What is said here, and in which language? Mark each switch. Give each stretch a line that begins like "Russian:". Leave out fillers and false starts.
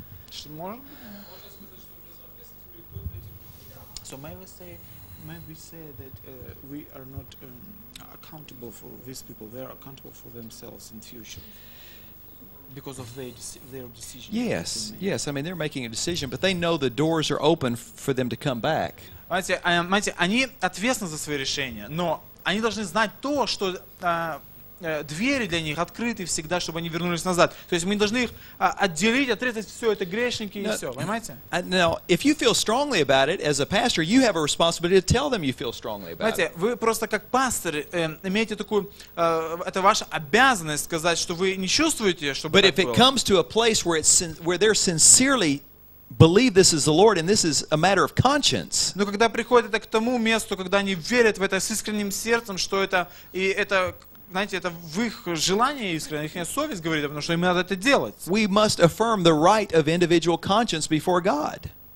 Russian: Что можно?
English: So may we say that we are not accountable for these people. They are accountable for themselves in future. Because of their decision. Yes, yes. I mean, they're making a decision, but they know the doors are open for them to come back.
Russian: Понимаете, они ответственны за свои решения, но они должны знать то, что двери для них открыты всегда, чтобы они вернулись назад. То есть мы должны их отделить, отрезать все это грешники и все. Понимаете?
English: Now, if you feel strongly about it, as a pastor, you have a responsibility to tell them you feel strongly about it.
Russian: Понимаете, вы просто как пастор имеете такую, это ваша обязанность сказать, что вы не чувствуете, чтобы.
English: But if it comes to a place where it's where they're sincerely believe this is the Lord, and this is a matter of conscience.
Russian: Но когда приходит это к тому месту, когда они верят в это с искренним сердцем, что это и это. Знаете, это в их желании искренне, их совесть говорит, потому что им надо это делать.
English: We must affirm the right of individual conscience before God.